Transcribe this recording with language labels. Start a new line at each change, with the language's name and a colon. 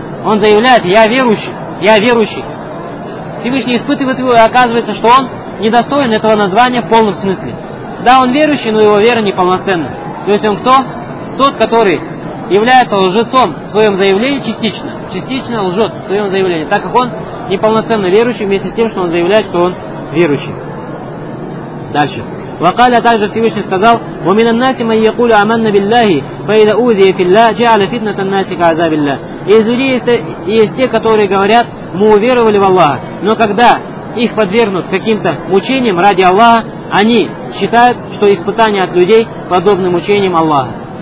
Russian: Он заявляет, я верующий. Всевышний испытывает его, и оказывается, что он недостоин этого названия в полном смысле. Да, он верующий, но его вера неполноценна. То есть он кто? Тот, который является лжецом в своем заявлении частично. Частично лжет в своем заявлении, так как он неполноценно верующий, вместе с тем, что он заявляет, что он верующий. Дальше.
Arabic: Вакаля
Russian: также Всевышний сказал,
Arabic: وَمِنَ النَّاسِ مَنْ يَقُولُ أَمَنَّ بِاللَّهِ فَإِذَا أُوذِيَ فِي اللَّهِ جَعَلَ فِتْنَةَ النَّاسِ كَعَذَابِ اللَّهِ.
Russian: Из людей есть те, которые говорят, мы уверовали в Аллаха, но когда их подвергнут каким-то мучениям ради Аллаха, они считают, что испытания от людей подобны мучениям Аллаха.